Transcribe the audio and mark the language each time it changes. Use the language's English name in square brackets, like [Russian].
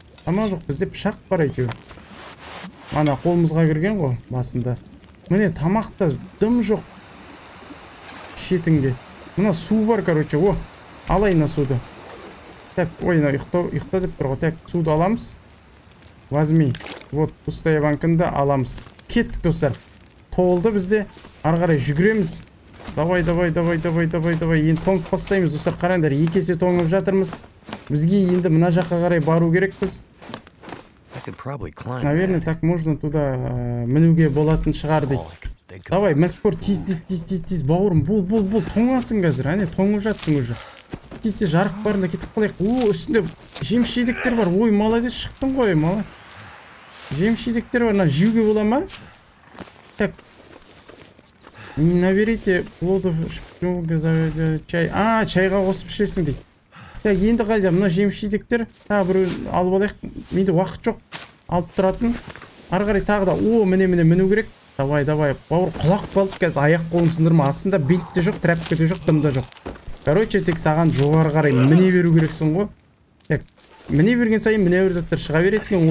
[Kazakh] Тамақ жоқ, бізде пышақ бар әйтеуір. Ана қолымызға кірген ғой басында. Міне тамақта дым жоқ шетінде. Мына су бар, короче. О, алайын мына суды. Так, ой, мына ұйықта деп тұр ғой. Так, суды аламыз. [Russian] Возьми. [Kazakh] Вот пустая банкада аламыз. Кеттік достар, толды бізде. Ары қарай жүгіреміз. [Russian] Давай, давай, давай, давай, давай, давай. [Kazakh] Енді тоңып бастаймыз достар, қараңдар, екі есе тоңып жатырмыз. Бізге енді мына жаққа қарай бару керекпіз. [Russian] Наверное, так можно туда [Kazakh] мінуге болатын шығар дейді. Давай, мәтпор, тез-тез, бауырым, бұл, тоңасың қазір, әне, тоңып жатсың уже. Тез-тез, жарық барында кетіп қалайық. О, үстінде жеміс жидектер бар, ой, молодец, шықтың ғой, молодец. Жемшидектер бар, жеуге бола ма? Так. [Russian] Наберите плодов, шпионка заведет чай. [Kazakh] А, чайга қосып ішесің дейді. Так, енді қайда, мына жемшидектер. Та, біреу алып алайық. Менде уақыт жоқ. Алып тұратын. Ары қарай тағы да. О, міне-міне міну керек. Давай, давай. Бауыр құлақ болып қазір аяқ қолын сындырма. Астында бит те жоқ, трапка те жоқ, дым да жоқ. Короче, тек саған жоғары қарай міне беру керексің ғой. Так, міне берген сайын міне бір заттар шыға береді екен.